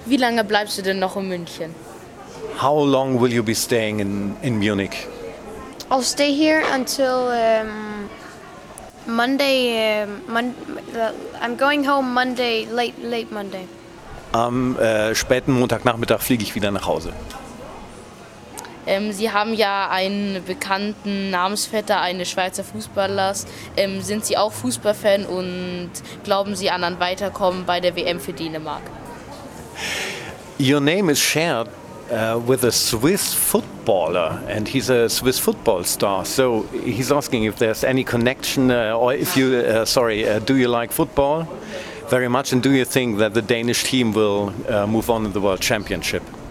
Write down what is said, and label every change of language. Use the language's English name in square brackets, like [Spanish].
[German] Wie lange bleibst du denn noch in München? [English] How long will you be staying in Munich? I'll stay here until Monday. I'm going home Monday, late Monday. [German] Am späten Montagnachmittag fliege ich wieder nach Hause. Sie haben ja einen bekannten Namensvetter, eines Schweizer Fußballers. Sind Sie auch Fußballfan und glauben Sie an ein Weiterkommen bei der WM für Dänemark? [English] Your name is shared with a Swiss footballer, and he's a Swiss football star. So he's asking if there's any connection, or if you, do you like football very much, and do you think that the Danish team will move on in the World Championship?